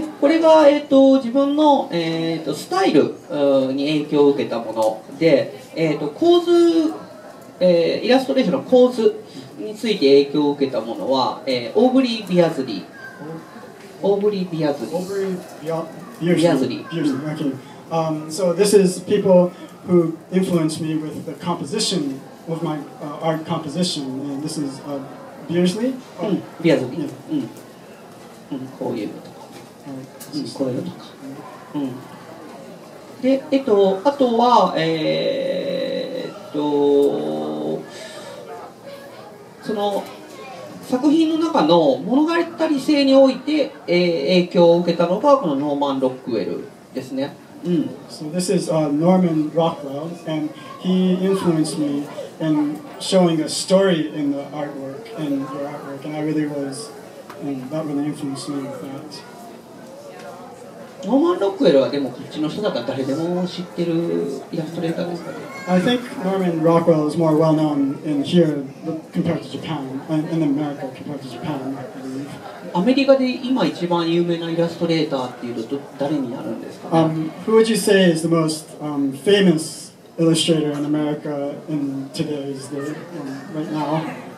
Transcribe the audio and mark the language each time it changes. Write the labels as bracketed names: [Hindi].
[Japanese] で、これが、自分の、スタイルに影響を受けたもので、構図、イラストレーションの構図について影響を受けたものは、オーブリー・ビアズリー。オーブリー・ビアズリー。オーブリー・ビアズリー。 [English] So this is people who influenced me with the composition of my art composition. And this is ビアズリー。 [Japanese] うん、ビアズリー。うん、こういう。こういうのとか、うん、で、あとは、その作品の中の物語性において、影響を受けたのがこのノーマン・ロックウェルですね。うん、 [English] So this is Norman Rockwell and he influenced me in showing a story in the artwork in your artwork and I really was that really influenced me with that. [Japanese] ノーマン・ロックウェルはでもこっちの人だから誰でも知ってるイラストレーターですかね。 [English] I think Norman Rockwell is more well known in here compared to Japan, in America compared to Japan. [Japanese] アメリカで今一番有名なイラストレーターっていうと誰になるんですかね。 [English] Who would you say is the most famous illustrator in America in today's day, right now?